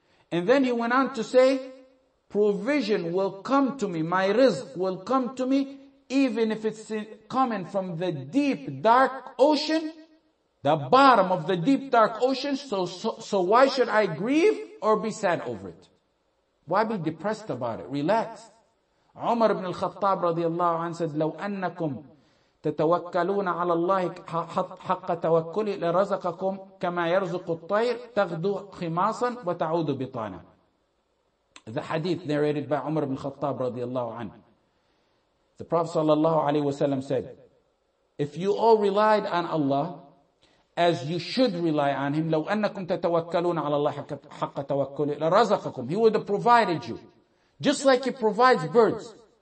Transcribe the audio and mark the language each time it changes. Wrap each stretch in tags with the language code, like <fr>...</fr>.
<en>And then he went on to say, provision will come to me, my rizq will come to me, even if it's coming from the deep dark ocean, the bottom of the deep dark ocean, so why should I grieve or be sad over it? Why be depressed about it? Relax.</en> <ar>Umar ibn al-Khattab radiallahu anhu said, لو أنكم تتوكلون على الله حق توكل لرزقكم كما يرزق الطير تغدو خماصا وتعود بطانا.</ar> <en>The hadith narrated by Umar ibn al-Khattab radiallahu anhu. The Prophet sallallahu alayhi wasallam said, if you all relied on Allah, as you should rely on Him,</en> <ar>لو أنكم تتوكلون على الله حق توكل لرزقكم.</ar> <en>He would have provided you. Just like He provides birds.</en>